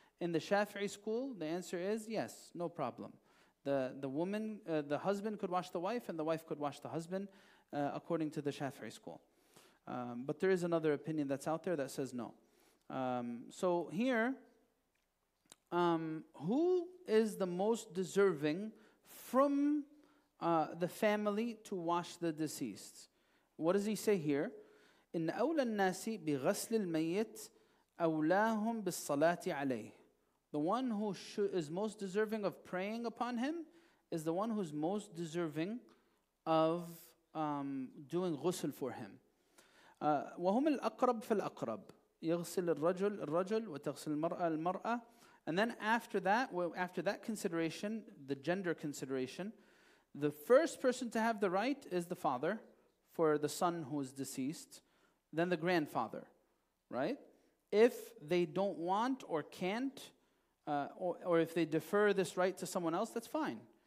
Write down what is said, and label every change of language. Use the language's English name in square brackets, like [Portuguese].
[English] In the Shafi'i school, the answer is yes, no problem. The husband could wash the wife, and the wife could wash the husband, according to the Shafi'i school. But there is another opinion that's out there that says no. So here, who is the most deserving from the family to wash the deceased? What does he say here? [Arabic] إن أولى الناس بغسل الميت أولاهم بالصلاة عليه. [English] The one who is most deserving of praying upon him is the one who's most deserving of doing ghusl for him. [Arabic] وهم الأقرب في الأقرب يغسل الرجل الرجل وتغسل المرأة المرأة. [English] And then after that, consideration, the gender consideration, the first person to have the right is the father for the son who is deceased, then the grandfather, right? If they don't want or can't, or if they defer this right to someone else, that's fine.